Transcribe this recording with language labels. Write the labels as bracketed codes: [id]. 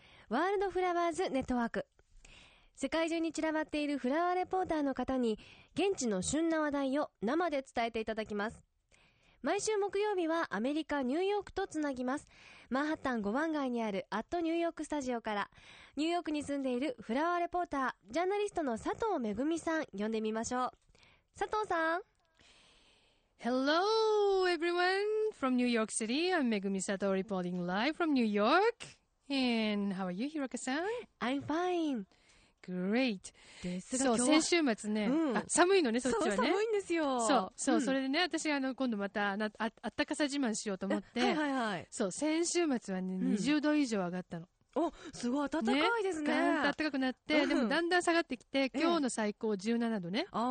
[ja] ワールドフラワーズネットワーク。世界中に散らばっているフラワーレポーターの方に現地の旬な話題を生で伝えていただきます。毎週木曜日はアメリカニューヨークとつなぎます。マンハッタン5番街にあるアットニューヨークスタジオから、ニューヨークに住んでいるフラワーレポータージャーナリストの佐藤めぐみさん呼んでみましょう。佐藤さん。 [en] Hello everyone from New York City. I'm Megumi Sato reporting live from New York. And how are you, Hiroka-san? I'm fine. Great. [ja] ですが、そう、先週末ね、うん、寒いのね、そっちはね。そう、寒いんですよ。そう、そう、うん、それでね、私、今度また、あったかさ自慢しようと思って、はいはいはい。そう、先週末はね、20度以上上がったの。うん、お、すごい暖かいですね。ね、ガーンと暖かくなって、でもだんだん下がってきて、今日の最高17度ね。